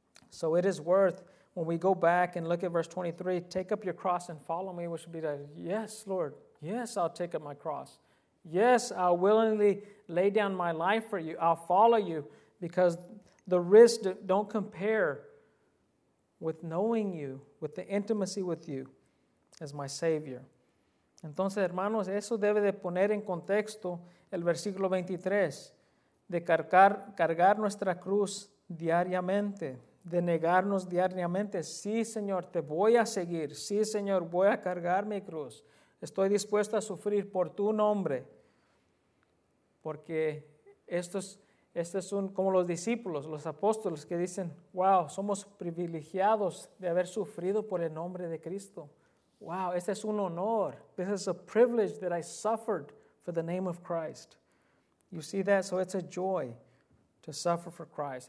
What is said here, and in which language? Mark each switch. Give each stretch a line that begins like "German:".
English: So it is worth, when we go back and look at verse 23, "Take up your cross and follow me," which would be like, "Yes, Lord, yes, I'll take up my cross. Yes, I'll willingly lay down my life for you. I'll follow you," because the risks don't compare with knowing you, with the intimacy with you as my Savior.
Spanish: Entonces, hermanos, eso debe de poner en contexto el versículo 23, de cargar nuestra cruz diariamente, de negarnos diariamente. Sí, Señor, te voy a seguir. Sí, Señor, voy a cargar mi cruz. Estoy dispuesto a sufrir por tu nombre. Porque esto es un, como los discípulos, los apóstoles, que dicen, wow, somos privilegiados de haber sufrido por el nombre de Cristo. Wow, este es un honor.
English: This is a privilege that I suffered for the name of Christ. You see that? So it's a joy to suffer for Christ.